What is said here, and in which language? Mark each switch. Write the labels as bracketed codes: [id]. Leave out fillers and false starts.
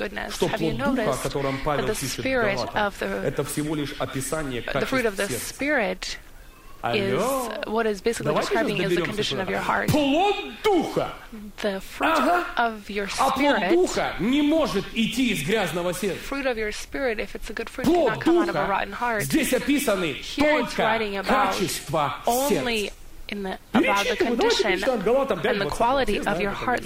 [ru] что плод Духа, о котором Павел пишет в Галатах, это всего лишь описание качества сердца. [en] Is what is basically [ru] Давайте [en] describing is the condition of your heart. [ru] Плод духа. [en] The fruit of your spirit. [ru] А плод духа не может идти из грязного сердца. [en] Fruit of your spirit, if it's a good fruit, cannot come out of a rotten heart. [ru] Здесь описаны только качества сердца. [en] In the, about the condition and the quality of your heart.